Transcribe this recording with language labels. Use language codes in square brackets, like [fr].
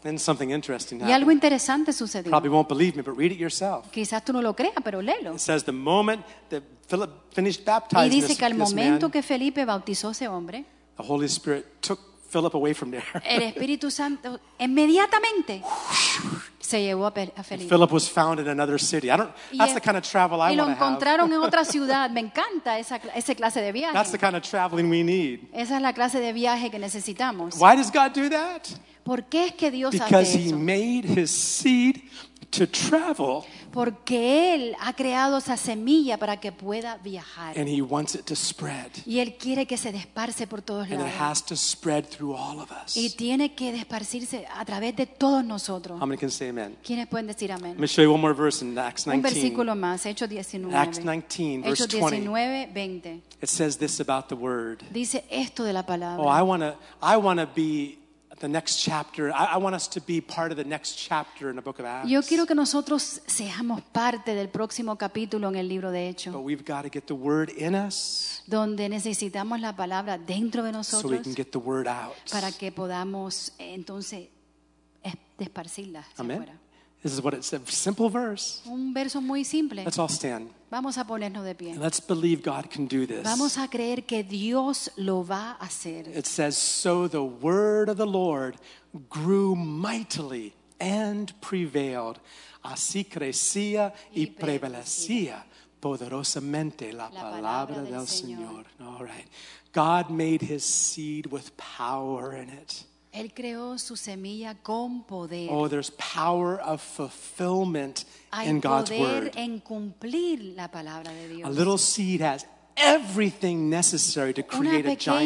[en] Then something interesting happened. [es] Y algo interesante sucedió. [en] Probably won't believe me, but read it yourself. [es] Quizás tú no lo creas, pero léelo. [en] It says the moment that Philip finished baptizing [es] y dice que al [en] this [es] momento [en] man, [es] que Felipe bautizó ese hombre, [en] the Holy Spirit took Philip away from there. [es] El Espíritu Santo inmediatamente se llevó a Felipe. [en] And Philip was found in another city. I don't. That's the kind of travel I want to have. [es] Y lo encontraron en otra ciudad. Me encanta esa clase de viaje. [en] That's the kind of traveling we need. [es] Esa es la clase de viaje que necesitamos. [en] Why does God do that? [es] ¿Por qué es que Dios [en] Because [es] hace eso? [en] He made his seed to travel. [es] Porque él ha creado esa semilla para que pueda viajar. [en] And he wants it to spread. [es] Y él quiere que se desparce por todos [en] and And it has to spread through all of us. [es] Y tiene que desparcirse a través de todos nosotros. [en] How many can say amen? [es] ¿Quiénes pueden decir amén? [en] Let me show you one more verse in Acts 19. [es] Un versículo más, Hechos 19. [en] Acts 19, verse 20. [es] Hechos 19, 20. [en] It says this about the word. [es] Dice esto de la palabra. [en] Oh, I wanna be the next chapter. I want us to be part of the next chapter in the book of Acts. [es] Yo quiero que nosotros seamos parte del próximo capítulo en el libro de Hechos. [en] But we've got to get the word in us. [es] Donde necesitamos la palabra dentro de nosotros. [en] So we can get the word out. [es] Para que podamos entonces esparcirla hacia [en] Amen. [es] Fuera. [en] This is what it said. Simple verse. [es] Un verso muy simple. [en] Let's all stand. [es] Vamos a ponernos de pie. [en] And let's believe God can do this. [es] Vamos a creer que Dios lo va a hacer. [en] It says, so the word of the Lord grew mightily and prevailed. [es] Así crecía y prevalecía poderosamente la palabra del Señor. [en] All right. God made his seed with power in it. [es] Él creó su semilla con poder. [en] Oh, there's power of fulfillment [es] Hay [en] in God's [es] poder [en] word. [es] En cumplir la palabra de Dios. [en] A little seed has everything necessary to create a giant tree.